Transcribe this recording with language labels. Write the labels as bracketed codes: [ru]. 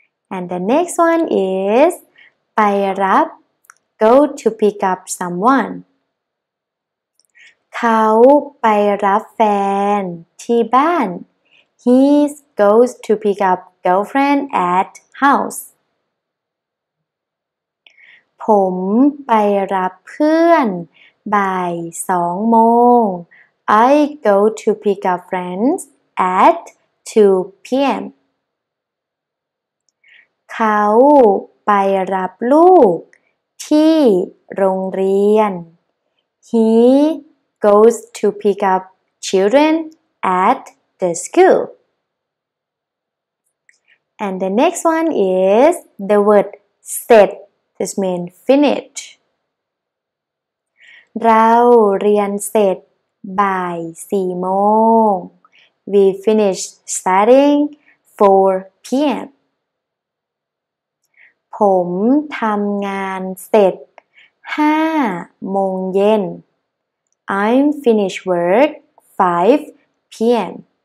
[en] And the next one is ไปรับ go to pick up someone [th] เขาไปรับแฟนที่บ้าน [en] He goes to pick up girlfriend at house [th] ผมไปรับเพื่อนบ่ายสองโมง [en] I go to pick up friends at 2 p.m. [th] เขาไปรับลูกที่โรงเรียน [en] HeGoes to pick up children at the school. And the next one is the word set. This means finish. [th] เราเรียนเสร็จบ่ายสี่โมง [en] We finish studying 4 p.m. [th] ผมทำงานเสร็จห้าโมงเย็น [en] I'm finished work 5 p.m.